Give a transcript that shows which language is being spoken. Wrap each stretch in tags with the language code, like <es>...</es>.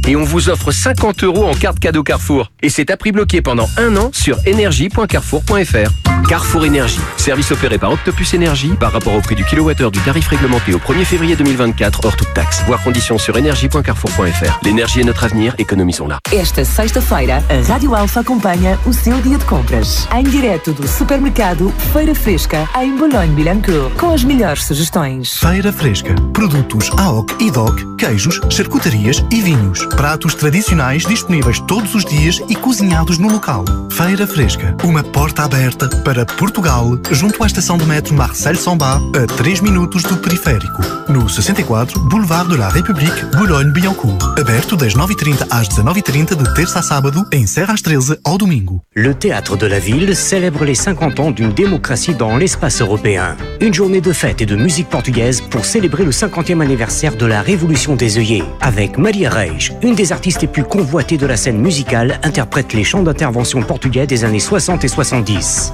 <fr>Et on vous offre 50 euros en carte cadeau Carrefour. Et c'est à prix bloqué pendant un an sur energie.carrefour.fr. Carrefour Énergie. Service opéré par Octopus Énergie par rapport au prix du kilowattheure du tarif réglementé au 1er février 2024, hors toute taxe. Voir conditions sur energie.carrefour.fr. L'énergie est notre avenir, économisons-la.</fr> <pt>Esta sexta-feira, a Rádio Alfa acompanha o seu dia de compras. Em direto do supermercado Feira Fresca. Em Boulogne-Billancourt, com as melhores sugestões. Feira Fresca. Produtos AOC e DOC, queijos, charcutarias e vinhos. Pratos tradicionais disponíveis todos os dias e cozinhados no local. Feira Fresca. Uma porta aberta para Portugal, junto à estação de metro Marcel-Samba, a 3 minutos do periférico. No 64 Boulevard de la République, Boulogne-Billancourt. Aberto das 9h30 às 19h30 de terça a sábado, encerra às 13h ao domingo.</pt> <fr>Le Théâtre de la Ville célèbre les 50 ans d'une démocratie dans l'espace européen. Une journée de fête et de musique portugaise pour célébrer le 50e anniversaire de la Révolution des œillets. Avec Maria Reis, une des artistes les plus convoitées de la scène musicale, interprète les chants d'intervention portugais des années 60 et 70.</fr>